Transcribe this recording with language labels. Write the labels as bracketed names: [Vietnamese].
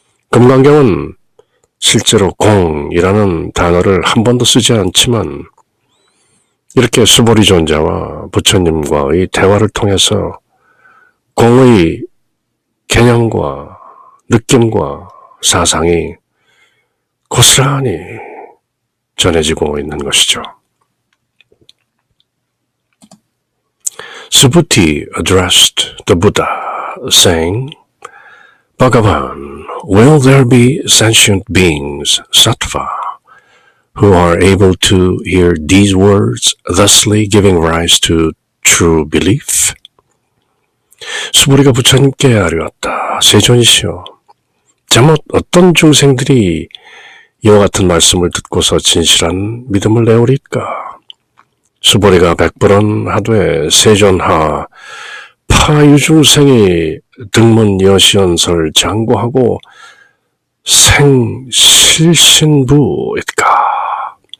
[Korean] 금강경은 실제로 공이라는 단어를 한 번도 쓰지 않지만 이렇게 수보리 존재와 부처님과의 대화를 통해서 공의 개념과 느낌과 사상이 고스란히 전해지고 있는 것이죠. [English] Subhuti addressed the Buddha, saying, Bhagavan, will there be sentient beings, sattva, who are able to hear these words, thusly giving rise to true belief? [Korean] 수보리가 부처님께 아뢰었다. 세존이시여, 제멋 어떤 중생들이 이와 같은 말씀을 듣고서 진실한 믿음을 내오리까? 수보리가 백불은 하되 세존하, 파유중생이 등문 여시연설 장구하고 생실신부일까?